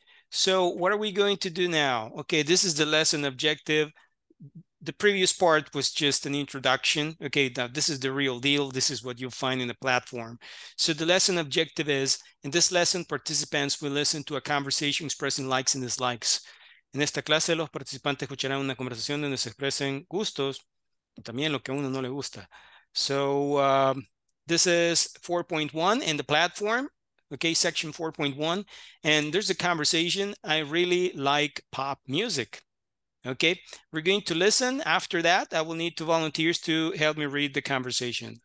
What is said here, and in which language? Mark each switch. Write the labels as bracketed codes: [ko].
[en] So what are we going to do now? Okay, this is the lesson objective. The previous part was just an introduction. Okay, now this is the real deal. This is what you'll find in the platform. So the lesson objective is, in this lesson, participants will listen to a conversation expressing likes and dislikes. [es] En esta clase, los participantes escucharán una conversación donde se expresen gustos, también lo que a uno no le gusta. [en] So, this is 4.1 in the platform, okay, section 4.1, and there's a conversation. I really like pop music, okay? We're going to listen. After that, I will need two volunteers to help me read the conversation.